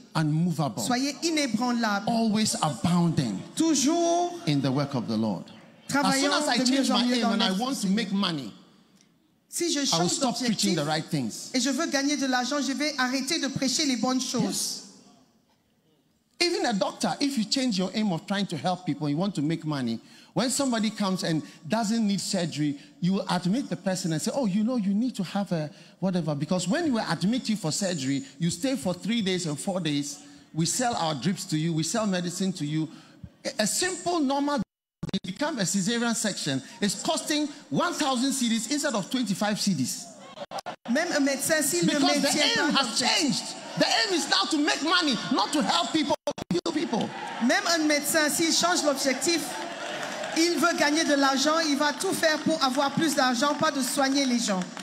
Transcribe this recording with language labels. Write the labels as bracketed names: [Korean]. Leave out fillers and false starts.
[English] Unmovable. [French] Soyez inébranlable. [English] Always abounding. [French] Toujours. [English] In the work of the Lord. [French] Travaillant [English] as soon as I change my aim and I want to make money. [French] Si je change [English] I will stop preaching the right things. [French] Et je veux gagner de l'argent, je vais arrêter de prêcher les bonnes choses. [English] Yes. Even a doctor, if you change your aim of trying to help people, you want to make money, when somebody comes and doesn't need surgery, you will admit the person and say, oh, you know, you need to have a whatever. Because when we admit you for surgery, you stay for 3 days and 4 days, we sell our drips to you, we sell medicine to you. A simple, normal, they become a cesarean section. It's costing 1,000 cedis instead of 25 cedis. [French] Même un médecin, si [English] because le médecin the aim has changed. The aim is now to make money, not to help people, to heal people. [French] Même un médecin, s'il change l'objectif, il veut gagner de l'argent, il va tout faire pour avoir plus d'argent, pas de soigner les gens.